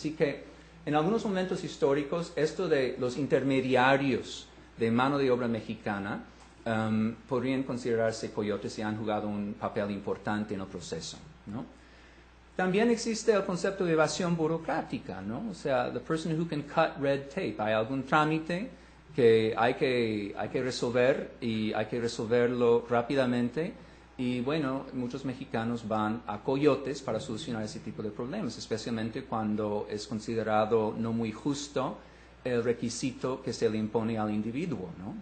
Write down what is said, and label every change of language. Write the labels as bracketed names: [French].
[Spanish] Así que, en algunos momentos históricos, esto de los intermediarios de mano de obra mexicana podrían considerarse coyotes y han jugado un papel importante en el proceso, ¿no? También existe el concepto de evasión burocrática, ¿no? O sea, [English] the person who can cut red tape. [Spanish] Hay algún trámite que hay que resolver y hay que resolverlo rápidamente. Y bueno, muchos mexicanos van a coyotes para solucionar ese tipo de problemas, especialmente cuando es considerado no muy justo el requisito que se le impone al individuo, ¿no?